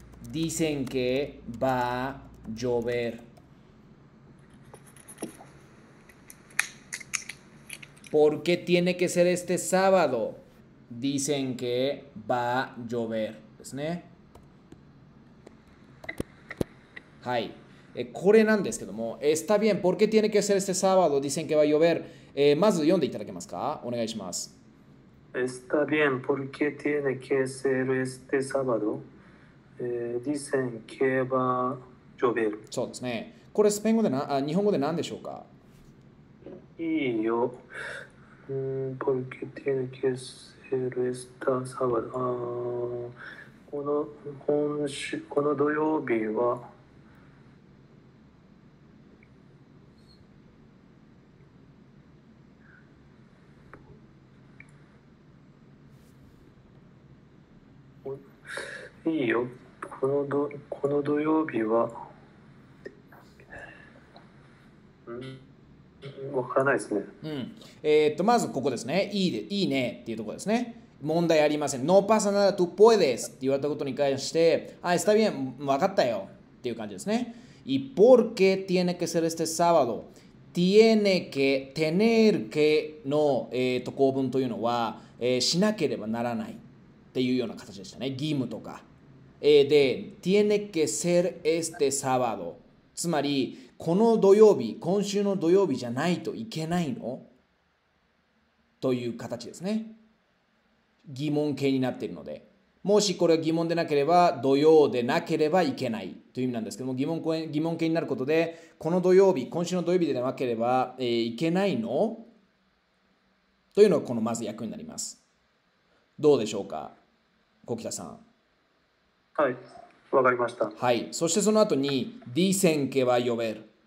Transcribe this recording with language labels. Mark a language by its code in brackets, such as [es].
[es] ディセンケバジョベル。ポルケティエネケセルエステサバド。ディセンケバジョベル [ja] ですね。はい。これなんですけども、 [es] Está bien, ¿por qué tiene que ser este sábado? Dicen que va a llover。 [ja] まず読んでいただけますか？お願いします。 [es] Está bien, porque tiene que ser este sábado. Dicen que va a llover. [ja] そうですね。これ、スペイン語でな、あ、日本語で何でしょうか？いいよ。 [es] Porque tiene que ser este sábado. [ja] この土曜日は、いいよ、この土曜日は、わからないですね。まずここですね。いいで、いいねっていうところですね。問題ありません。 [es] No pasa nada, tú puedes [ja] って言われたことに関して、あ、está bien、わかったよっていう感じですね。 [es] Y por qué tiene que ser este sábado? [ja] Tiene que tener que の、構文というのは、しなければならないっていうような形でしたね。義務とか。で、tiene que ser este sábado。つまり、この土曜日、今週の土曜日じゃないといけないの？という形ですね。疑問形になっているので。もしこれは疑問でなければ、土曜でなければいけないという意味なんですけども、疑問形になることで、この土曜日、今週の土曜日でなければ、いけないの？というのが、このまず役になります。どうでしょうか、小北さん。はい、わかりました。はい。そしてその後に、 [es] dicen que va a llover。